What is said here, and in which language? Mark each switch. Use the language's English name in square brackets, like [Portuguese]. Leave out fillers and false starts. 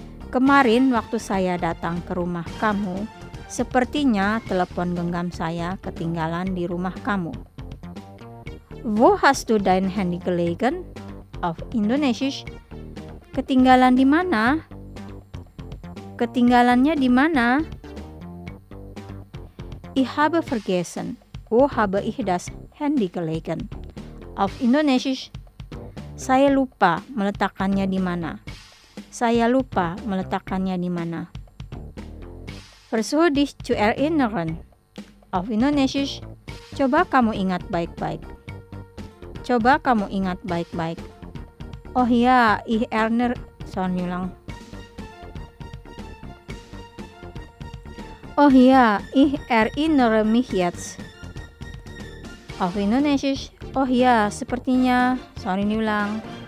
[Indonesian] Kemarin waktu saya datang ke rumah kamu, sepertinya telepon genggam saya ketinggalan di rumah kamu. [German] Wo hast du dein Handy gelegen? Auf Indonesisch, [Indonesian] ketinggalan di mana? Ketinggalannya di mana? [German] Ich habe vergessen. Wo habe ich das Handy gelegen? Auf Indonesisch. [Indonesian] Saya lupa meletakkannya di mana. Saya lupa meletakkannya di mana. [German] Versuch dich zu erinnern. Auf Indonesisch. [Indonesian] Coba kamu ingat baik-baik. Coba kamu ingat baik-baik. [German] Oh ya, ich erinnere schon lang. Oh ya, ich erinnere mich jetzt. Auf Indonesisch. [Indonesian] Oh ya, sepertinya sorry nyulang.